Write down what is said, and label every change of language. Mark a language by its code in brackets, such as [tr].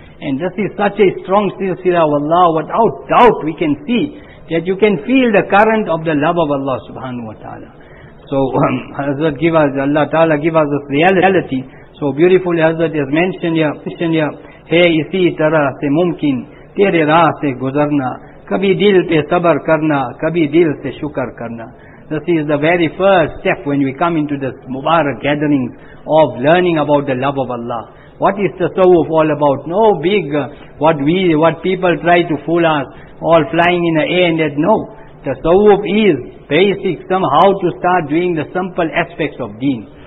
[en] And this is such a strong silsila of Allah. Without doubt, we can see that you can feel the current of the love of Allah subhanahu wa ta'ala. So, Hazrat give us, Allah ta'ala give us this reality. So beautifully, Hazrat has mentioned here, hey, [ur] isi tarah se mumkin, تیرے راہ سے گزرنا, کبھی دل پہ صبر کرنا, کبھی دل سے شکر کرنا. [en] This is the very first step when we come into this Mubarak gathering of learning about the love of Allah. What is the tasawwuf all about? No big what people try to fool us, all flying in the air and that. No. The tasawwuf is basic, somehow to start doing the simple aspects of deen.